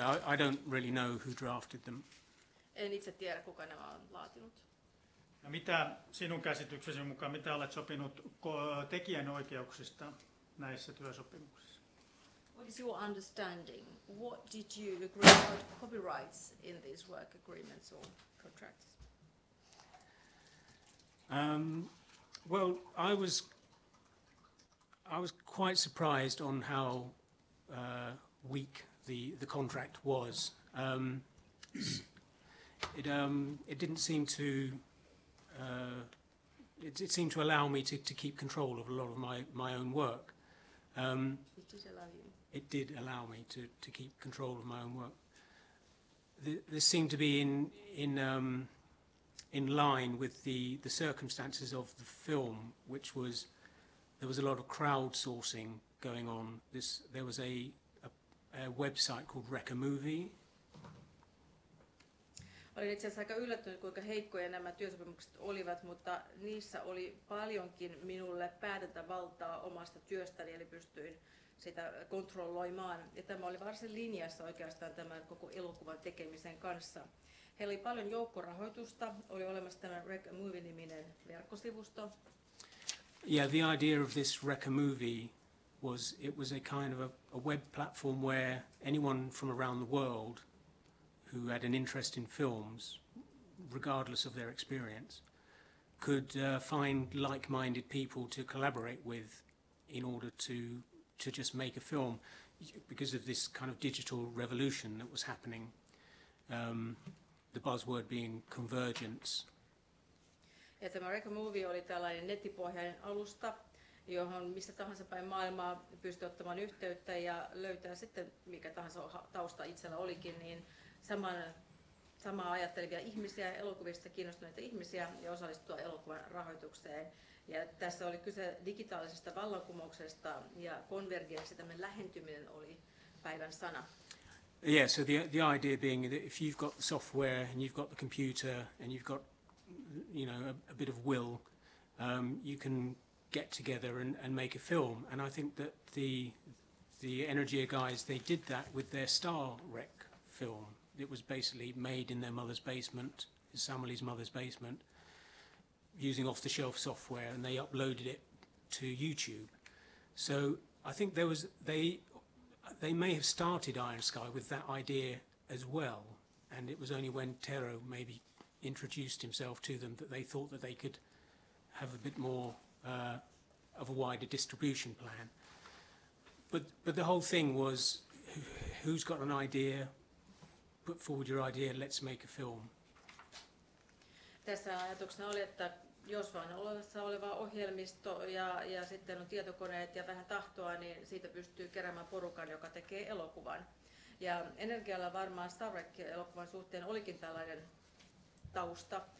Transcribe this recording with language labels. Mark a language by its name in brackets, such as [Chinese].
[English] I don't really know who drafted them. [Finnish] En itse tiedä, kuka nämä on laatinut. No mitä sinun käsityksesi mukaan, mitä olet sopinut tekijänoikeuksista näissä työsopimuksissa? [English] What is your understanding? What did you agree about copyrights in these work agreements or contracts? Well, I was quite surprised on how weak the contract was. It didn't seem to it seemed to allow me to keep control of a lot of my own work. It did allow you. It did allow me to keep control of my own work. This seemed to be in line with the circumstances of the film, which was there was a lot of crowdsourcing going on. There was a website called Rekamovie. [Finnish] Olin itse asiassa aika yllättynyt, kuinka heikkoja nämä työsopimukset olivat, mutta niissä oli paljonkin minulle päätäntävaltaa omasta työstäni, eli pystyin sitä kontrolloimaan. Ja tämä oli varsin linjassa oikeastaan tämän koko elokuvan tekemisen kanssa. Heillä oli paljon joukkorahoitusta, oli olemassa tämä Rekamovie-niminen verkkosivusto. [English] Yeah, the idea of this Rekamovie was it was a kind of a web platform where anyone from around the world who had an interest in films, regardless of their experience, could find like-minded people to collaborate with in order to just make a film because of this kind of digital revolution that was happening, the buzzword being convergence. [Finnish] Ja tämä Rekamovie oli tällainen nettipohjainen alusta, johon missä tahansa päin maailmaa pystyi ottamaan yhteyttä ja löytää sitten mikä tahansa tausta itsellä olikin, niin samaa ajattelevia ihmisiä, elokuvista kiinnostuneita ihmisiä ja osallistua elokuvan rahoitukseen. Ja tässä oli kyse digitaalisesta vallankumouksesta ja konvergenssi, tämän lähentyminen oli päivän sana. [English] Yeah, so the idea being that if you've got the software and you've got the computer and you've got a bit of will, you can get together and make a film. And I think that the Energia guys, they did that with their Star Wreck film. It was basically made in their mother's basement, Samuli's mother's basement, using off-the-shelf software, and they uploaded it to YouTube. So I think they may have started Iron Sky with that idea as well, and it was only when Tero maybe introduced himself to them that they thought that they could have a bit more of a wider distribution plan. But the whole thing was, who's got an idea? Put forward your idea, let's make a film. [Finnish] Tässä ajatuksena oli, että jos vain olemassa oleva ohjelmisto ja sitten on tietokoneet ja vähän tahtoa, niin siitä pystyy keräämään porukan, joka tekee elokuvan. Ja Energialla varmaan Star Trek-elokuvan suhteen olikin tällainen tausta.